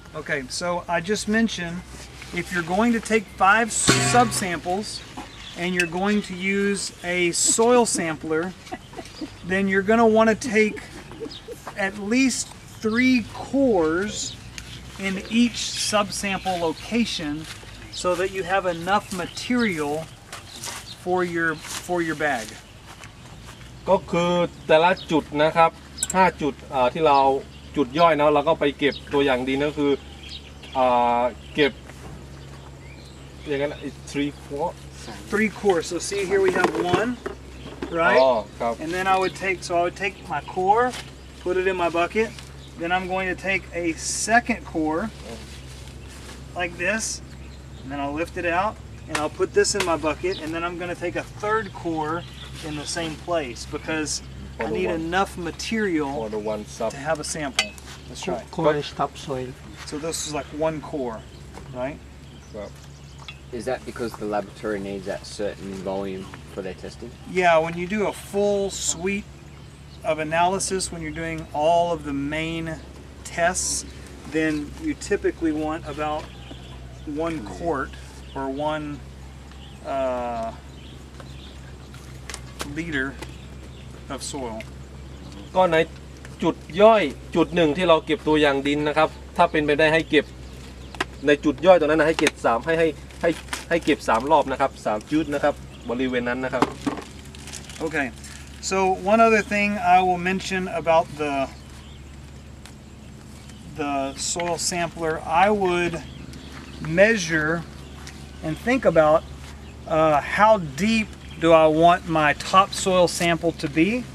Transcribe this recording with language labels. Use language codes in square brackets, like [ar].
[en] Okay, so I just mentioned if you're going to take five subsamples and you're going to use a soil sampler, then you're going to want to take at least three cores in each subsample location so that you have enough material for your bag. [th] ก็คือแต่ละจุดนะครับ5จุดที่เราจุดย่อยเนาะเราก็ไปเก็บตัวอย่างดีนั่นคือเก็บ อย่างนั้น3 4 [en] 3 core so see here we have one right [th] oh, ครับ [en] and then I would take so I would take my core put it in my bucket then I'm going to take a second core like this and then I'll lift it out and I'll put this in my bucket and then I'm going to take a third core in the same place because for I need one. Enough material to have a sample that's right core is topsoil so this is like one core right well is that because the laboratory needs that certain volume for their testing yeah when you do a full suite of analysis when you're doing all of the main tests then you typically want about one quart or one liter of soil [th] ก็ในจุดย่อยจุดหนึ่งที่เราเก็บตัวอย่างดินนะครับถ้าเป็นไปได้ให้เก็บในจุดย่อยตรงนั้นนะให้เก็บ3ให้เก็บ3รอบนะครับ3จุดนะครับบริเวณนั้นนะครับ [en] โอเค so one other thing I will mention about the soil sampler I would measure and think about how deep do I want my topsoil sample to be